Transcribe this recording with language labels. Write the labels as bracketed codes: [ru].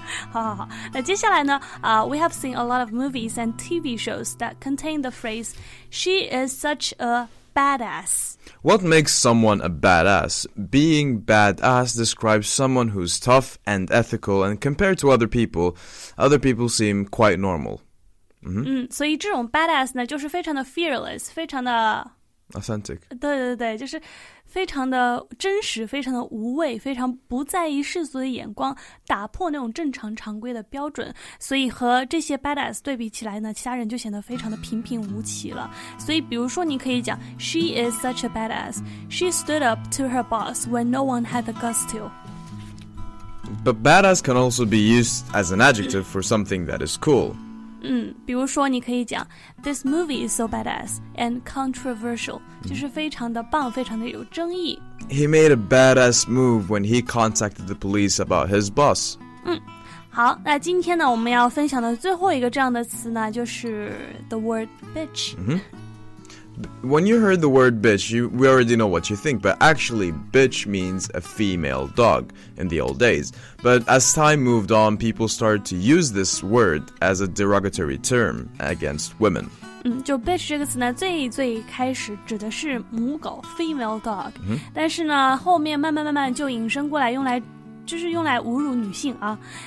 [zh] 好好好，那接下来呢、 [en] we have seen a lot of movies and TV shows that contain the phrase, she is such a badass. What makes someone a badass? Being badass describes someone who's tough and ethical, and compared to other people seem quite normal. [zh] 所以这种 badass 呢就是非常的 fearless, 非常的 [en] Authentic. [zh] 对对对，就是非常的真实，非常的无畏，非常不在意世俗的眼光，打破那种正常常规的标准。所以和这些 badass 对比起来呢，其他人就显得非常的平平无奇了。所以比如说你可以讲 [en] She is such a badass. She stood up to her boss when no one had the guts to. But badass can also be used as an adjective for something that is cool. [zh] 比如说你可以讲 [en] This movie is so badass and controversial. [zh] 就是非常的棒，非常的有争议。 [en] He made a badass move when he contacted the police about his boss. [zh] 好，那今天呢我们要分享的最后一个这样的词呢就是 [en] the word bitch. When you heard the word bitch, we already know what you think, but actually bitch means a female dog in the old days. But as time moved on, people started to use this word as a derogatory term against women. [zh] 就 bitch 这个词呢最最开始指的是母狗 [en] female dog. [zh] 但是呢后面慢慢慢慢就引申过来用来侮辱女性啊。